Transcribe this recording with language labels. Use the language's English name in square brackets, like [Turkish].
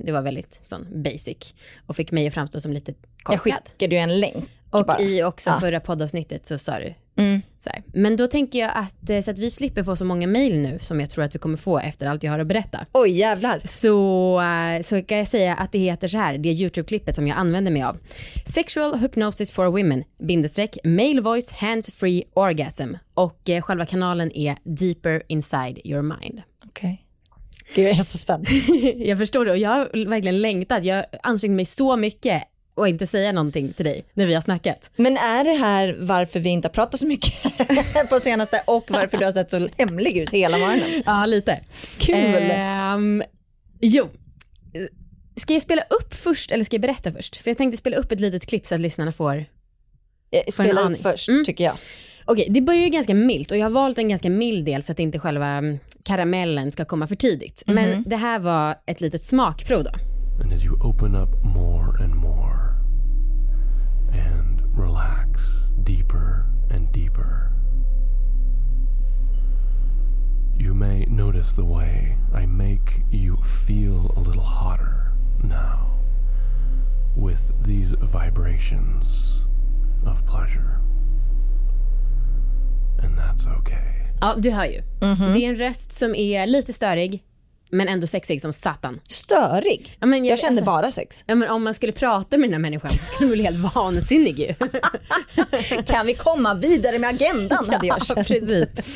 [Swedish] Det var väldigt sån basic. Och fick mig att framstå som lite korkad. Jag skickade ju en länk. Och bara. Förra poddavsnittet så sa du... Mm. Så här. Men då tänker jag att så att vi slipper få så många mejl nu som jag tror att vi kommer få efter allt jag har att berätta. Oj jävlar. Så kan jag säga att det heter så här, det YouTube-klippet som jag använder mig av. [English] Sexual hypnosis for women - male voice hands free orgasm. [Swedish] Och själva kanalen är deeper inside your mind. Okej. Okay. Gud, jag är så spänd. Jag förstår det och jag har verkligen längtat. Jag ansträngde mig så mycket och inte säga någonting till dig när vi har snackat. Men är det här varför vi inte har pratat så mycket på senaste och varför du har sett så hemlig ut hela morgonen? Ja, lite. Kul. Jo, ska jag spela upp först eller ska jag berätta först? För jag tänkte spela upp ett litet klipp så att lyssnarna får spela upp först, tycker jag. Okej, det börjar ju ganska milt och jag har valt en ganska mild del så att inte själva karamellen ska komma för tidigt. Mm-hmm. Men det här var ett litet smakprov då. [English] And as you open up more and more and relax deeper and deeper, you may notice the way I make you feel a little hotter now with these vibrations of pleasure. And that's okay. [Swedish] Ja, du hör ju. Mm-hmm. Det är en röst som är lite störig. Men ändå sexig som satan. Störig? Ja, men jag kände alltså, bara sex. Ja, men om man skulle prata med den här människan så skulle man bli helt vansinnig ju. Kan vi komma vidare med agendan? Ja, precis.